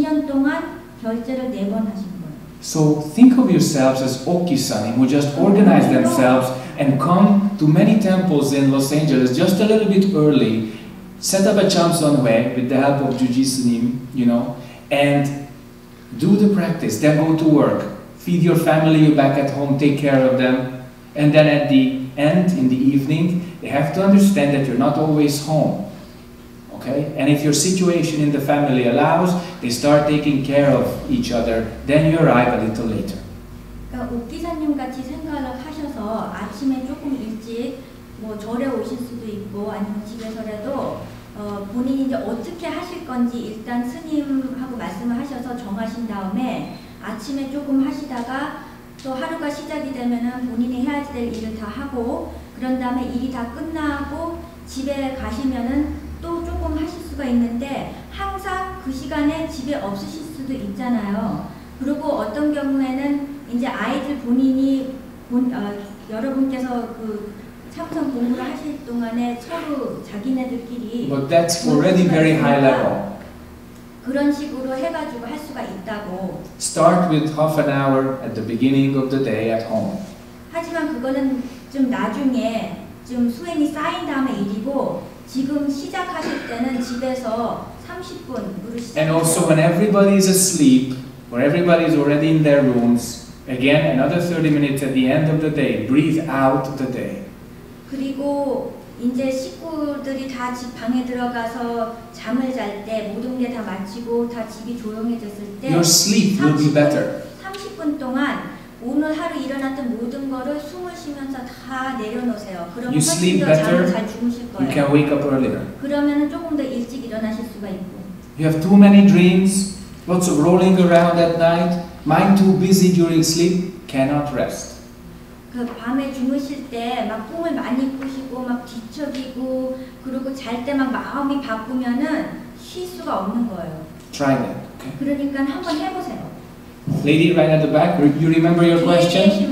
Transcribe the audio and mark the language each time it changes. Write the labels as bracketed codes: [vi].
[ko] 2년 동안 결제를 네 번 하신 거예요. [en] So think of yourselves as Okisanim who just organize themselves and come to many temples in Los Angeles just a little bit early, set up a Chamson way with the help of Jujisunim, and do the practice, then go to work, feed your family back at home, take care of them, and then at the end, in the evening, they have to understand that you're not always home, OK? Okay? And if your situation in the family allows, they start taking care of each other, then you arrive a little later. [ko] 그러니까 옥기사님 같이 생각을 하셔서 아침에 조금 일찍 뭐 절에 오실 수도 있고 아니면 집에서라도 본인이 이제 어떻게 하실 건지 일단 스님하고 말씀을 하셔서 정하신 다음에 아침에 조금 하시다가 또 하루가 시작이 되면은 본인이 해야 될 일을 다 하고 그런 다음에 일이 다 끝나고 집에 가시면은 또 조금 하실 수가 있는데 항상 그 시간에 집에 없으실 수도 있잖아요. 그리고 어떤 경우에는 이제 아이들 본인이 여러분께서 그 참선 공부를 하실 동안에 서로 자기네들끼리 [en] But that's already very high level. [ko] 그런 식으로 해가지고 할 수가 있다고 [en] Start with half an hour at the beginning of the day at home. [ko] 하지만 그거는 좀 나중에 좀 수행이 쌓인 다음에 일이고 지금 시작하실 때는 집에서 30분으로 시작 [en] And also when everybody is asleep or everybody is already in their rooms Again, another 30 minutes at the end of the day. Breathe out the day. [ko] 그리고 이제 식구들이 다 집 방에 들어가서 잠을 잘 때 모든 게 다 마치고 다 집이 조용해졌을 때 [en] Your sleep will be better. [ko] 30분 동안 오늘 하루 일어났던 모든 거를 숨을 쉬면서 다 내려놓으세요. 그러면 훨씬 더 잠을 잘 주무실 거예요. [en] You can wake up earlier. [ko] 그러면 조금 더 일찍 일어나실 수가 있고 [en] You have too many dreams, lots of rolling around at night. Mind too busy during sleep cannot rest. [ko] 그 밤에 주무실 때 막 꿈을 많이 꾸시고 막 뒤척이고 그리고 잘 때 막 마음이 바쁘면은 쉴 수가 없는 거예요. [en] Try that. Okay. [ko] 그러니까 한번 해보세요. [en] Lady right at the back, you remember your question?